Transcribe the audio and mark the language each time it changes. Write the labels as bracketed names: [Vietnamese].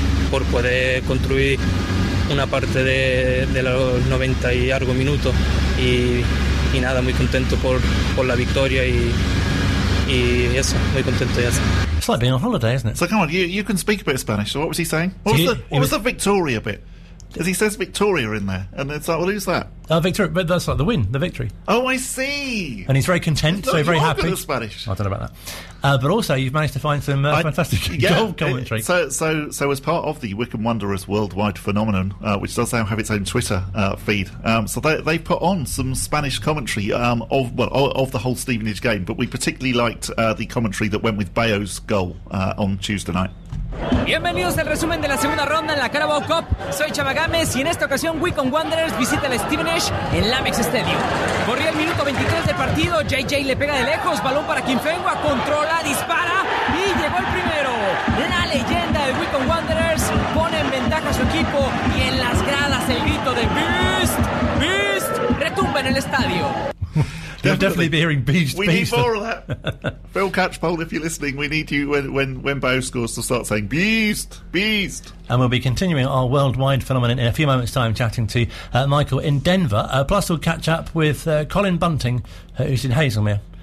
[Spanish] Por poder construir una parte de los 90 y algo minutos y nada, muy contento por la victoria y eso, muy contento y eso. [English] It's like being on holiday, isn't it? So come on, you can speak a bit of Spanish. So what was he saying? What was the Victoria bit? Because he says Victoria in there, and it's like, well, who's that? Victoria, but that's like the win, the victory. Oh, I see. And he's very content, so very happy. Good at Spanish. I don't know about that. But also, you've managed to find some fantastic goal commentary. So as part of the Wycombe Wanderers worldwide phenomenon, which does now have its own Twitter feed, so they put on some Spanish commentary of the whole Stevenage game, but we particularly liked the commentary that went with Bayo's goal on Tuesday night. [Spanish] Bienvenidos al resumen de la segunda ronda en la Carabao Cup. Soy Chama Gámez y en esta ocasión Wycombe Wanderers visita el Stevenage en el Amex Stadium. Corría el minuto 23 del partido, JJ le pega de lejos, balón para Kimfengua, controla, dispara y llegó el primero. La leyenda de Wycombe Wanderers pone en ventaja a su equipo y en las gradas el grito de Beast, Beast, retumba en el estadio. [English] Definitely be hearing Beast. We need more of that. Phil Catchpole, if you're listening, we need you when Bayo scores to start saying Beast, Beast. And we'll be continuing our worldwide phenomenon in a few moments' time, chatting to Michael in Denver. Plus, we'll catch up with Colin Bunting, who's in Hazelmere.